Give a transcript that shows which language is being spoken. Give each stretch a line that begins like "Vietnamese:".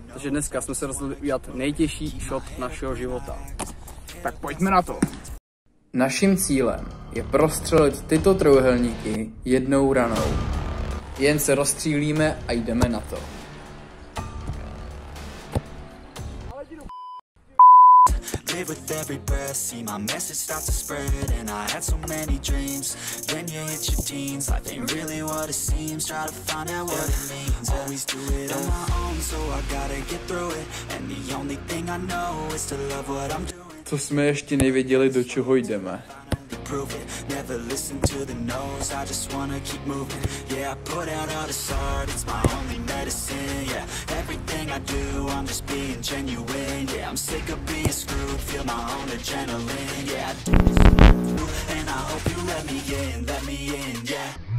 Czech: Takže dneska jsme se rozhodli udělat nejtěžší shot našeho života. Tak pojďme na to. Naším cílem je prostřelit tyto trojúhelníky jednou ranou. Jen se rozstřílíme a jdeme na to.
English: With every breath, see my message start to spread. And I had so many dreams. When you hit your teens, life ain't really what it seems. Try to find out what it means. Always do it on my own, so I gotta get through it. And the only thing I know is to love what I'm doing.
Czech: Co jsme ještě nevěděli, do čeho jdeme.
English: Never listen to the noise, I just wanna keep moving. Yeah, I put out all the art, it's my only medicine. Yeah, everything I do, I'm just being genuine. Yeah, I'm sick of being screwed, feel my own adrenaline. Yeah, I do this for you, and I hope you let me in, yeah.